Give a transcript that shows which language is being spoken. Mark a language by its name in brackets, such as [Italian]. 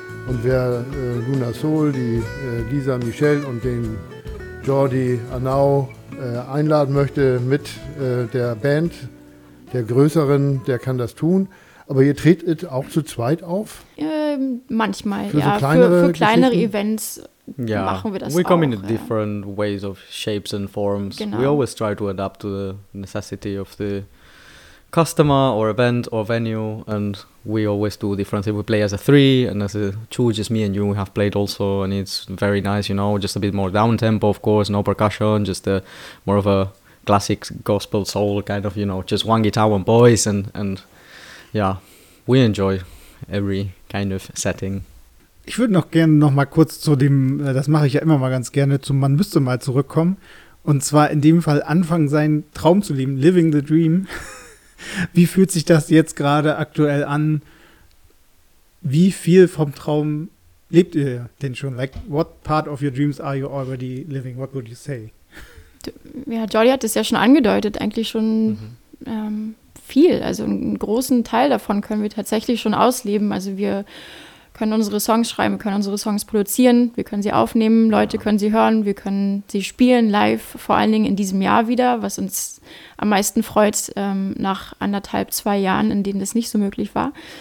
[German] Und wer Luna Soul, die Lisa Michelle und den Jordi Anau einladen möchte mit der Band, der Größeren, der kann das tun. Aber ihr tretet auch zu zweit auf? Manchmal, für ja. So kleinere für kleinere Events machen wir das auch. [English] We come in different ways of shapes and forms. [German] Genau. [English] We always try to adapt to the necessity of the customer or event or venue. And we always do different things. We play as a three and as a two, just me and you. We have played also and it's very nice, you know. Just a bit more down tempo, of course, no percussion. Just more of a classic gospel soul kind of, you know, just one guitar, one voice and yeah, we enjoy every kind of setting. [German] Ich würde noch gerne noch mal kurz zu dem, das mache ich ja immer mal ganz gerne, zum Man müsste mal zurückkommen. Und zwar in dem Fall anfangen, seinen Traum zu leben, [English] living the dream. [German] Wie fühlt sich das jetzt gerade aktuell an? Wie viel vom Traum lebt ihr denn schon? [English] Like, what part of your dreams are you already living? What would you say? [German] Ja, Jordi hat es ja schon angedeutet, eigentlich schon viel. Also einen großen Teil davon können wir tatsächlich schon ausleben. Also wir können unsere Songs schreiben, können unsere Songs produzieren, wir können sie aufnehmen, Leute können sie hören, wir können sie spielen live, vor allen Dingen in diesem Jahr wieder, was uns am meisten freut, nach anderthalb, zwei Jahren, in denen das nicht so möglich war.